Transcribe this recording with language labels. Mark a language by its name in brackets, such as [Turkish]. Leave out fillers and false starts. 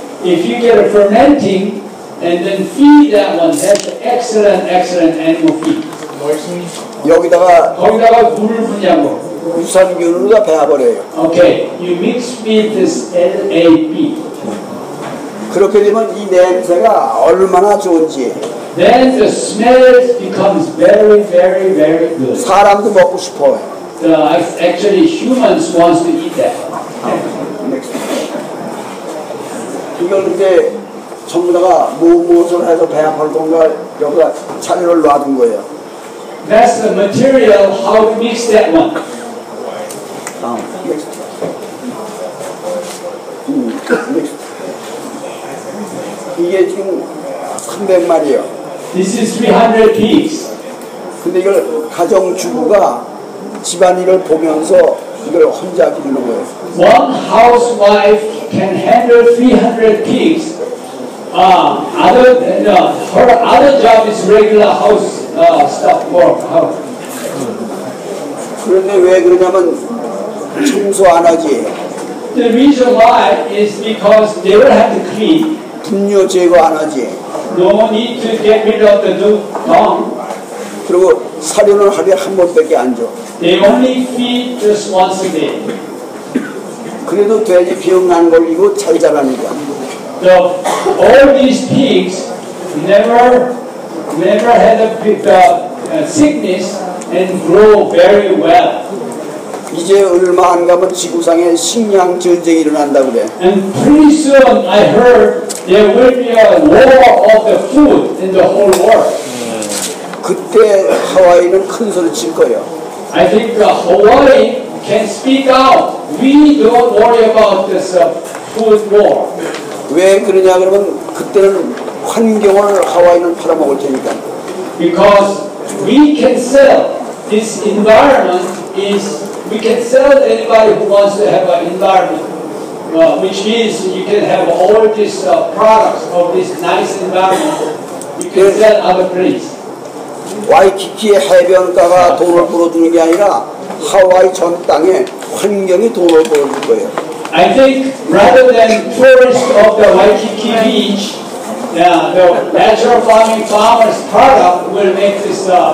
[English] If you get a fermenting and then feed that one, that's excellent, excellent animal feed. [Korean] 여기다가 물을 붓냐고. 유산균을 다 배워버려요. [English] Okay, you mix with this LAB. [Korean] 그렇게 되면 이 냄새가 얼마나 좋은지. [English] Then the smell becomes very, very, very good. [Korean] 사람도 먹고 싶어요. [English] Actually, humans wants to eat that. [Korean] 이걸 이제 전부다가 무엇을 해서 배워버린 건가 여기다 차례를 놔둔 거예요. [English] That's the material, how to mix that one. Next. [Korean] 이게 지금 300마리요. [English] This is 300 pigs. [Korean] 근데 이걸 가정 주부가 집안일을 보면서 이걸 혼자 기르는 거예요. [English] One housewife can handle 300 pigs. Her other job is regular house stuff work. [Korean] 그런데 왜 그러냐면 청소 안 하지. [English] The reason why is because they will have to clean. [Korean] 분뇨 제거 안 하지. [English] No need to get rid of the dung. [Korean] 그리고 사료는 하루에 한 번밖에 안 줘. [English] They only feed just once a day. [Korean] 그래도 돼지 비용 안 걸리고 잘 자랍니다. [English] So all these pigs never had a sickness and grow very well. [Korean] 이제 얼마 안 가면 지구상에 식량 전쟁이 일어난다 그래. [English] And pretty soon I heard there will be a war of the food in the whole world. [Korean] 그때 하와이는 큰 소리 칠 거예요. [English] I think Hawaii can speak out. We don't worry about this food war. [Korean] 왜 그러냐 그러면 그때는 환경을 하와이는 팔아먹을 테니까. [English] Because we can sell this environment is We can sell anybody who wants to have an environment, which means you can have all these products of this nice environment. You can sell other places. [Korean] 와이키키의 해변가가 돈을 벌어주는 게 아니라 하와이 전 땅에 환경이 돈을 벌어줄 거예요. [English] I think rather than tourists of the Waikiki beach, the natural farming farmers product will make this.